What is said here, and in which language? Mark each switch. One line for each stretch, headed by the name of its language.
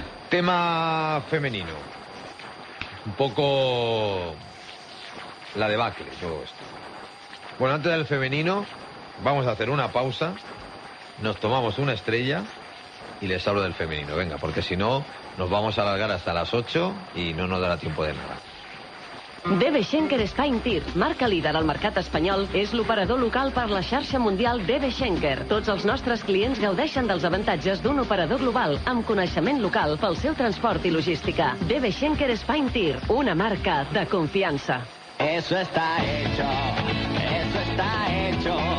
Spanish: Tema femenino. Un poco la debacle, todo esto. Bueno, antes del femenino, vamos a hacer una pausa. Nos tomamos una estrella y les hablo del femenino. Venga, porque si no, nos vamos a alargar hasta las 8 y no nos dará tiempo de nada.
Catalan: DB Schenker Spine Tir, marca líder al mercat espanyol, és l'operador local per la xarxa mundial DB Schenker. Tots els nostres clients gaudeixen dels avantatges d'un operador global amb coneixement local pel seu transport i logística. DB Schenker Spine Tir, una marca de confiança.
Spanish: Eso está hecho, eso está hecho.